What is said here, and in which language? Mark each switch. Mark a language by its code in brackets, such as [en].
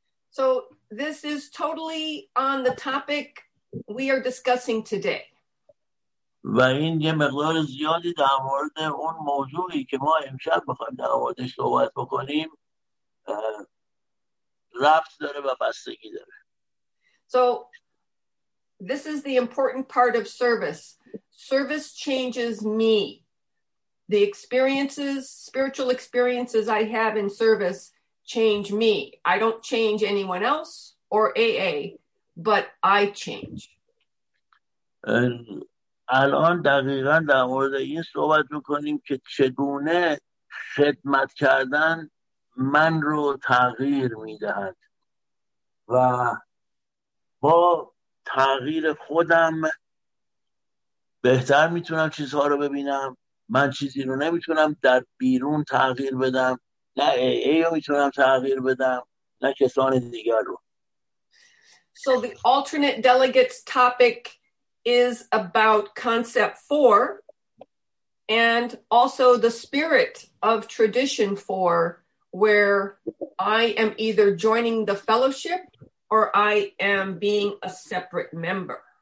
[en] So this is totally on the topic we are discussing today. [fa] و این یه مقدار زیادی در مورد اون موضوعی که ما امشب بخواییم در موردش صحبت بکنیم رفت داره و بستگی داره. [en] So this is the important part of service. Service changes me. The experiences, spiritual experiences I have in service change me. I don't change anyone else or AA, but I change. [fa] الان دقیقا در مورد این صحبت میکنیم که چگونه خدمت کردن من رو تغییر میدهد و با تغییر خودم بهتر میتونم چیزها رو ببینم. من چیزی رو نمیتونم در بیرون تغییر بدم، نه AA رو میتونم تغییر بدم نه کسان دیگر رو. [en] So the alternate delegate's topic is about concept 4 and also the spirit of tradition 4 where I am either joining the fellowship or I am being a separate member.